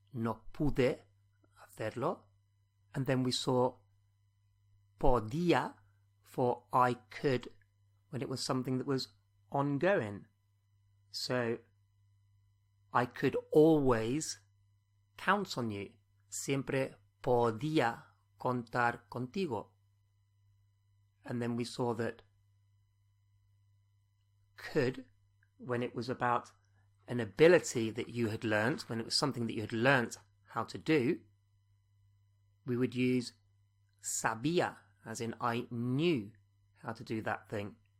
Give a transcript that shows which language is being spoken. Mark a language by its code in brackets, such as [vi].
[es] No pude hacerlo. [en] And then we saw podía, for I could, when it was something that was ongoing. So, I could always count on you. [es] Siempre podía contar contigo. [en] And then we saw that could, when it was about an ability that you had learnt, when it was something that you had learnt how to do, we would use sabía, as in I knew how to do that thing.